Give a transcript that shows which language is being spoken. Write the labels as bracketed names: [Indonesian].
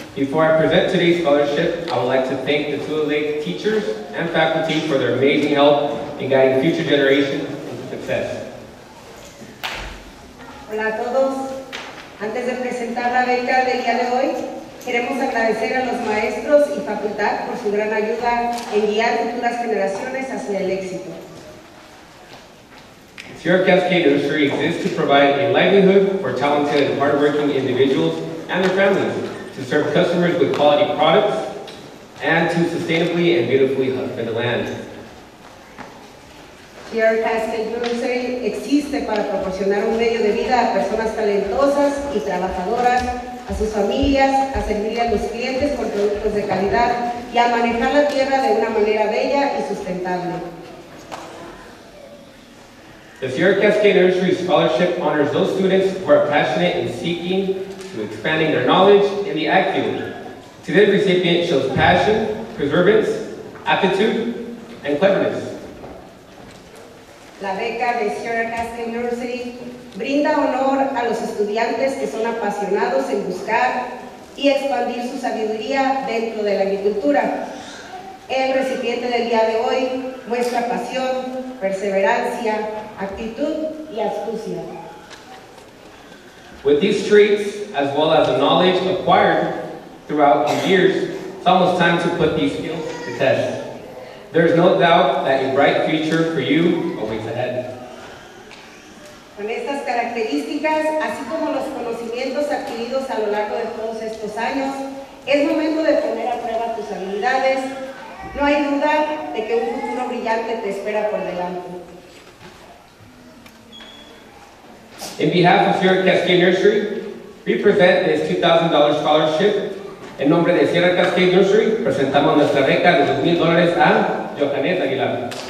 [English] Before I present today's scholarship, I would like to thank the Tulelake teachers and faculty for their amazing help in guiding future generations into success. [Spanish] Hola a todos. Antes de presentar la beca del día de hoy, queremos agradecer a los maestros y facultad por su gran ayuda en guiar futuras generaciones hacia el éxito. [English] Sierra Cascade Nursery exists to provide a livelihood for talented and hardworking individuals and their families, to serve customers with quality products, and to sustainably and beautifully husband the land. [Spanish] Sierra Cascade Nursery existe para proporcionar un medio de vida a personas talentosas y trabajadoras, a sus familias, a servir a los clientes con productos de calidad, y a manejar la tierra de una manera bella y sustentable. [English] The Sierra Cascade Nursery Scholarship honors those students who are passionate in seeking to expanding their knowledge in the ag field. Today's recipient shows passion, perseverance, aptitude, and cleverness. [Spanish] La beca de Sierra Cascade Nursery brinda honor a los estudiantes que son apasionados en buscar y expandir su sabiduría dentro de la agricultura. El recipiente del día de hoy muestra pasión, perseverancia, actitud y astucia. [English] With these traits, as well as the knowledge acquired throughout the years, it's almost time to put these skills to test. There is no doubt that a bright future for you awaits ahead. [Spanish] Con estas características, así como los conocimientos adquiridos a lo largo de todos estos años, es momento de poner a prueba tus habilidades. No hay duda de que un futuro brillante te espera por delante. [English] In behalf of Sierra Cascade Nursery, we present this $2,000 scholarship. [Spanish] En nombre de Sierra Cascade Nursery, presentamos nuestra beca de $2,000 a Johanet Aguilar.